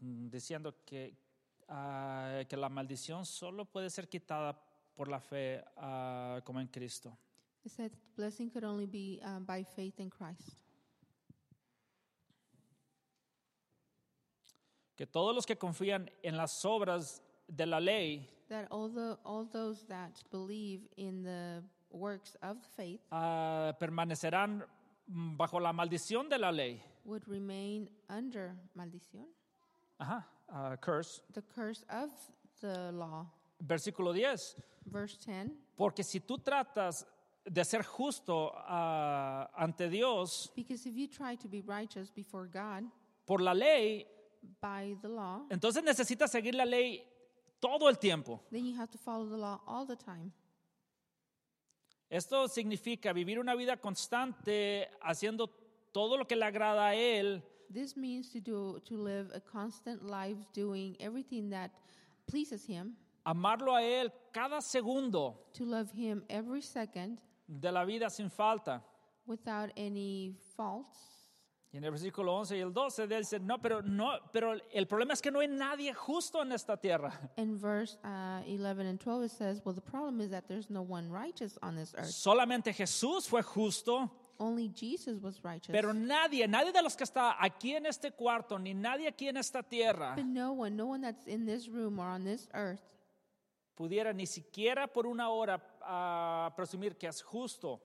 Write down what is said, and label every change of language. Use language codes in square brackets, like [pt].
[es] Diciendo que la maldición solo puede ser quitada por la fe como en Cristo. [en] He said the blessing could only be by faith in Christ. [es] Que todos los que confían en las obras de la ley, [en] that all those that believe in the works of faith, [es] permanecerán bajo la maldición de la ley. [en] Would remain under maldición. Ajá, curse. The curse of the law. [es] Versículo 10. [en] Verse 10. [es] Porque si tú tratas de ser justo ante Dios. [en] Because if you try to be righteous before God. [es] Por la ley. [en] By the law. [es] Entonces necesitas seguir la ley todo el tiempo. [en] Then you have to follow the law all the time. [es] Esto significa vivir una vida constante haciendo todo lo que le agrada a él. [en] This means to live a constant life doing everything that pleases him. [es] Amarlo a él cada segundo. [en] To love him every second. [es] De la vida sin falta. [en] Without any faults. [es] Y en el versículo 11 y el 12 él dice, pero el problema es que no hay nadie justo en esta tierra. [en] In verse 11 and 12 it says, well, the problem is that there's no one righteous on this earth. [es] Solamente Jesús fue justo. [en] Only Jesus was righteous. [es] Pero nadie de los que está aquí en este cuarto, ni nadie aquí en esta tierra. [en] But no one that's in this room or on this earth. [es] Pudiera ni siquiera por una hora presumir que es justo.